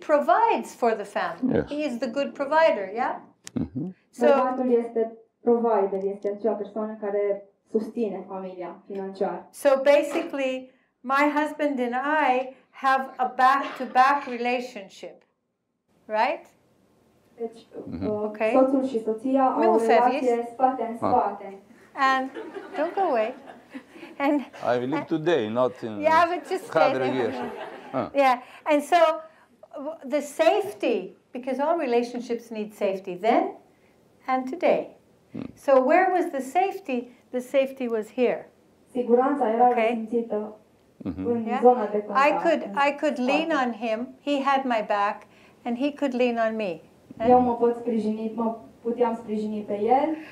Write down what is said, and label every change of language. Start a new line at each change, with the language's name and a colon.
English: provides for the family. Yes. He is the good provider, yeah?
Romanian: Bărbatul este provider, este acea persoană care susține familia financiar.
English: So basically, my husband and I have a back-to-back relationship, right?
Romanian: Deci, okay. Soțul și soția au o relație spate în spate.
English: And don't go away. And I live today, not in 100 years. Yeah, and so the safety, because all relationships need safety then and today. So where was the safety? The safety was here.
Romanian: Siguranța era simțită în zona de contact.
English: I could lean on him. He had my back and he could lean on me.
Romanian: Eu mă pot sprijini, mă puteam sprijini pe el.